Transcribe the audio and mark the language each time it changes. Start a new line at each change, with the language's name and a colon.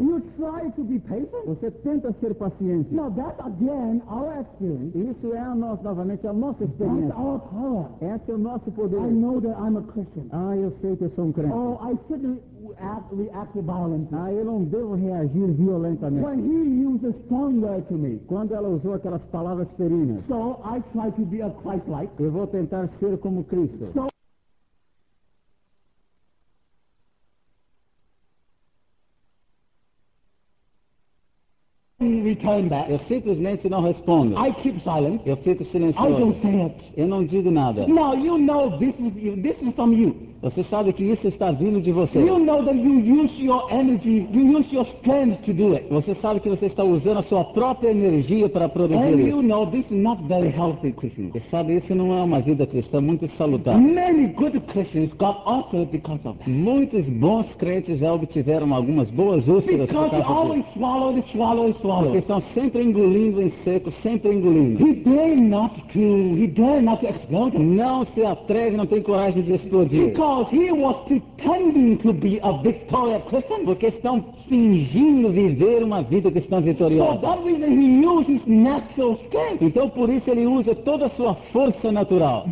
English: you try to be patient,
Portuguese: você tenta ser paciente.
English: Now that again, our experience.
Portuguese: Isso é a nossa, novamente, a nossa experiência.
English: That's our power.
Portuguese: Esse é o nosso poder.
English: I know that I'm a Christian.
Portuguese: Ah, eu sei que eu sou um crente.
English: Oh, I shouldn't react violently.
Portuguese: Ah, eu não devo reagir violentamente.
English: When he used a strong word to me.
Portuguese: Quando ela usou aquelas palavras ferinas.
English: So, I try to be a Christ-like.
Portuguese: Eu vou tentar ser como Cristo.
English: So, return back.
Portuguese: Eu simplesmente não respondo.
English: I keep silent.
Portuguese: Eu fico silencioso.
English: I don't say it.
Portuguese: Eu não digo nada.
English: Now you know this is from you.
Portuguese: Você sabe que isso está vindo de você.
English: You know that you use your energy, you use your strength to do it.
Portuguese: Você sabe que você está usando a sua própria energia para produzir
English: and
Portuguese: isso.
English: You know this is not very healthy Christian.
Portuguese: Você sabe, isso não é uma vida cristã muito saudável.
English: Many good Christians got offered because of that.
Portuguese: Muitos bons crentes obtiveram algumas boas úlceras.
English: Because you always swallow, swallow, swallow.
Portuguese: Eles estão sempre engolindo em seco, sempre engolindo.
English: He dare not to explode.
Portuguese: Não se atreve, não tem coragem de explodir.
English: Because he was pretending to be a victorious Christian.
Portuguese: Porque estão fingindo viver uma vida cristã vitoriosa.
English: For that reason he uses natural strength.
Portuguese: Então por isso ele usa toda a sua força natural.